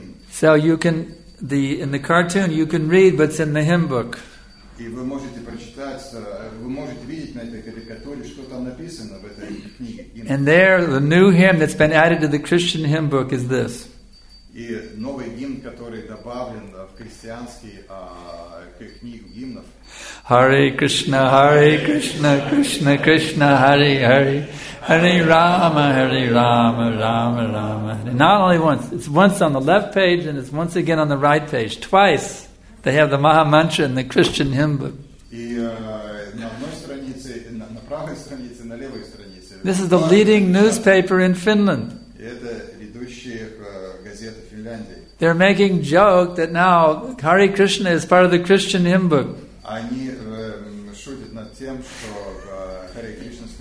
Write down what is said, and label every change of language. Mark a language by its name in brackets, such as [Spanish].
[English] So you can, in the cartoon, you can read what's in the hymn book. And there, the new hymn that's been added to the Christian hymn book is this. [Russian] И новый гимн, который добавлен в христианский книгу гимнов. [Sanskrit] Hare Krishna, Hare Krishna, Krishna Krishna, Hare Hare, Hare Rama, Rama Rama. [English] Not only once; it's once on the left page, and it's once again on the right page. Twice they have the Maha Mantra in the Christian hymn book. [Russian] И на одной странице, на правой странице, на левой странице. [English] This is the leading newspaper in Finland. [Russian] Это ведущая газета Финляндии. [English] They're making joke that now Hare Krishna is part of the Christian hymn book. [Russian] Они шутят над тем, что Hare Krishna.